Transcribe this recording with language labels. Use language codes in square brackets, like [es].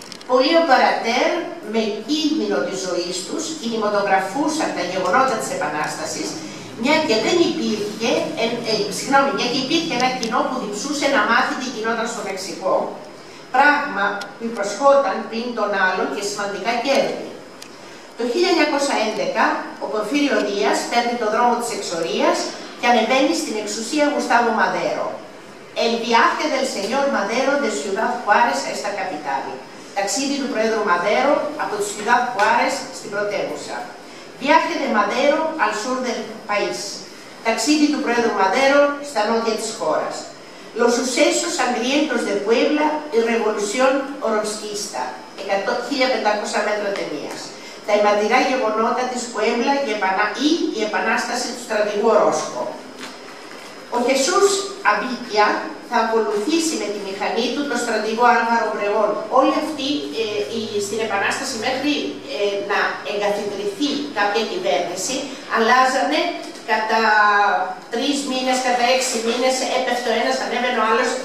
[el] Πολλοί οπερατέρ με κίνδυνο της ζωής τους κινηματογραφούσαν τα γεγονότα της Επανάστασης, μια και δεν υπήρχε, μια και υπήρχε ένα κοινό που διψούσε να μάθει τι γινόταν στο Μεξικό, πράγμα που υπροσχόταν πριν τον άλλον και σημαντικά κέρδη. Το 1911 ο Πορφύριο Δίας παίρνει τον δρόμο της εξορίας και ανεβαίνει στην εξουσία Γουστάβο Μαδέρο. [es] «El viaje del señor Madero de Ciudad Juárez a esta capital». [el] Ταξίδι του Προέδρου Μαδέρο από τη Ciudad Juárez στην πρωτεύουσα. [es] «Viaje de Madero al sur del país». [el] Ταξίδι του Προέδρου Μαδέρο στα νότια της χώρας. [es] «Los sucesos sangrientos de Puebla y revolución oroxquista». [el] 1500 μέτρα ταινίας. Τα αιματηρά γεγονότα της Πουέμπλα ή η επανάσταση του στρατηγού Ρόσκο. Ο Χεσούς Αμπίτια θα ακολουθήσει με τη μηχανή του τον στρατηγό Άλβαρο Μπρεγόν. Όλοι αυτοί στην επανάσταση μέχρι να εγκαθιδρυθεί κάποια κυβέρνηση αλλάζανε κατά 3 μήνες, κατά 6 μήνες, έπεφτε ο ένας, ανέβαινε ο άλλος.